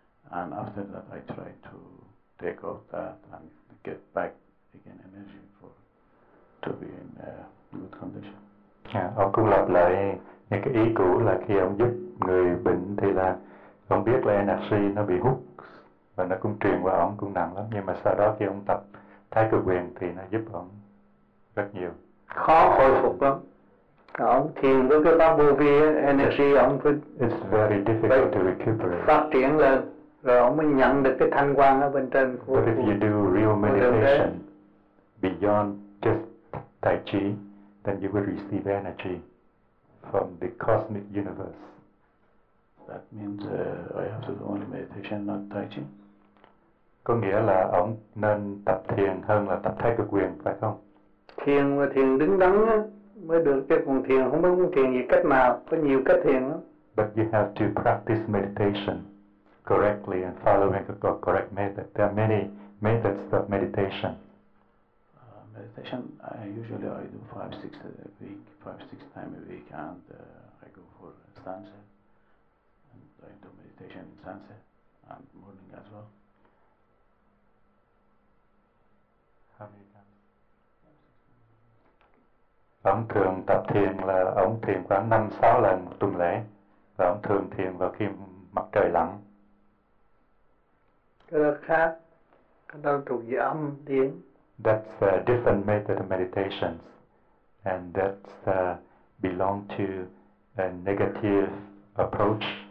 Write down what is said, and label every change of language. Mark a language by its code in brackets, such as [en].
[en] And after that, I try to take off that and get back again energy for to be in good condition. [vi] Yeah, ông cũng lặp lại những cái ý cũ là khi ông giúp người bệnh thì là ông biết là energy nó bị hút và nó cũng truyền qua ông cũng nặng lắm. Nhưng mà sau đó khi ông tập thái cực quyền thì nó giúp ông rất nhiều. Khó hồi phục lắm. Ông thiền với cái pháp vô vi energy ông phải [en] It's very difficult to recuperate. [vi] Phát triển lên. Rồi ông mới nhận được cái thanh quang ở bên trên của [en] But if you do real meditation beyond just Tai Chi, then you will receive energy from the cosmic universe. That means I have to do only meditation, not Tai Chi? [vi] Có nghĩa là ông nên tập thiền hơn là tập thái cực quyền, phải không? Thiền mà thiền đứng đắn á, mới được cái phần thiền, không biết phần thiền gì cách nào, có nhiều cách thiền lắm. [en] But you have to practice meditation correctly and following the correct method. There are many methods of meditation. Meditation, usually I do 5-6 a week, 5-6 times a week, and I go for sansa. And I do meditation in sansa, and morning as well. How many times? [vi] Ông thường tập thiền là ông thiền khoảng 5-6 lần một tuần lễ, và ông thường thiền vào khi mặt trời lặn. Cái đó khác, cái đó thuộc về âm tiếng. [en] That's a different method of meditation, and that belong to a negative approach.